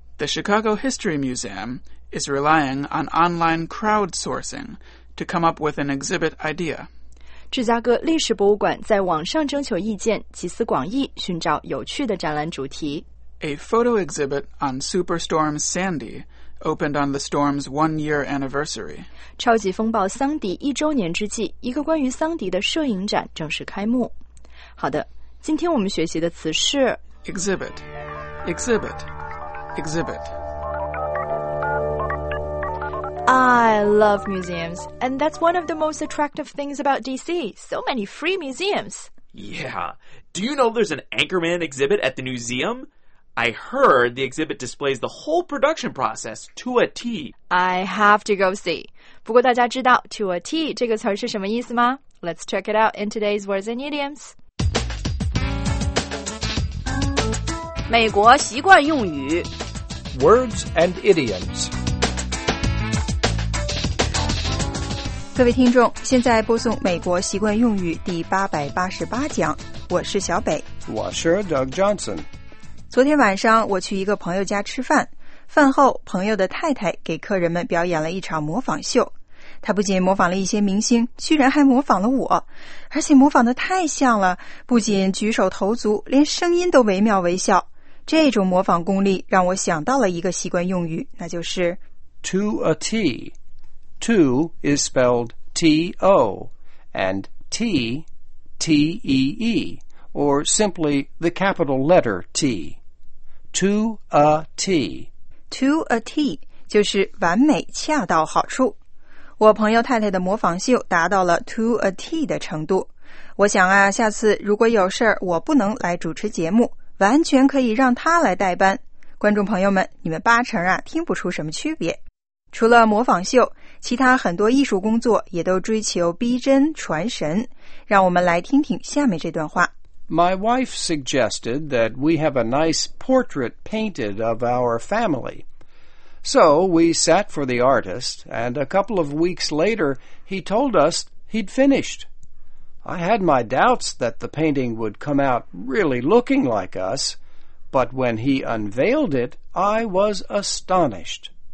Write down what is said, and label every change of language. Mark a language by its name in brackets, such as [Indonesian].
[English] The Chicago History Museum is relying on online crowdsourcing to come up with an exhibit idea. [Chinese] 芝加哥历史博物馆在网上征求意见，集思广益，寻找有趣的展览主题。 [English] A photo exhibit on Superstorm Sandy opened on the storm's one-year anniversary. [Chinese] 超级风暴桑迪一周年之际，一个关于桑迪的摄影展正式开幕。好的，今天我们学习的词是 [English] exhibit, exhibit, exhibit. I love museums, and that's one of the most attractive things about DC. So many free museums. Yeah. Do you know there's an Anchorman exhibit at the museum? I heard the exhibit displays the whole production process to a T. I have to go see. [Chinese] 不过大家知道 to a T 这个词是什么意思吗? [English] Let's check it out in today's Words and Idioms. [Chinese] 美国习惯用语 [English] Words and Idioms. [Chinese] 各位听众，现在播送美国习惯用语第888讲，我是小北。我是 Doug Johnson。昨天晚上我去一个朋友家吃饭，饭后朋友的太太给客人们表演了一场模仿秀。她不仅模仿了一些明星，居然还模仿了我，而且模仿得太像了，不仅举手投足，连声音都惟妙惟肖。这种模仿功力让我想到了一个习惯用语，那就是 [English] To a T。 To is spelled T-O and T, T-E-E, or simply the capital letter T. To a T. [Chinese] To a T 就是完美恰到好处。我朋友太太的模仿秀达到了 to a T 的程度。我想啊，下次如果有事我不能来主持节目，完全可以让她来代班。观众朋友们，你们八成啊听不出什么区别。除了模仿秀，其他很多艺术工作也都追求逼真传神。让我们来听听下面这段话。 [English] My wife suggested that we have a nice portrait painted of our family. So we sat for the artist, and a couple of weeks later, he told us he'd finished. I had my doubts that the painting would come out really looking like us, but when he unveiled it, I was astonished.